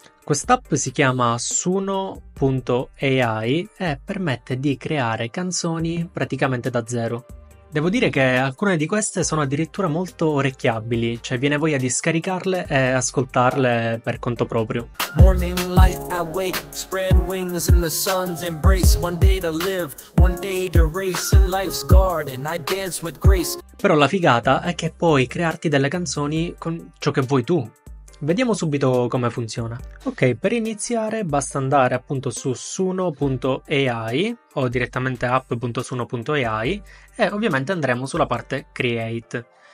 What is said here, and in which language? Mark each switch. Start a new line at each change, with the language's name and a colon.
Italian: Quest'app si chiama Suno.ai e permette di creare canzoni praticamente da zero. Devo dire che alcune di queste sono addirittura molto orecchiabili, cioè viene voglia di scaricarle e ascoltarle per conto proprio.
English: Morning light, I wake, spread wings in the sun's embrace. One day to live, one day to race in life's garden, I dance with grace.
Italian: Però la figata è che puoi crearti delle canzoni con ciò che vuoi tu. Vediamo subito come funziona. Ok, per iniziare basta andare appunto su suno.ai o direttamente app.suno.ai e ovviamente andremo sulla parte create.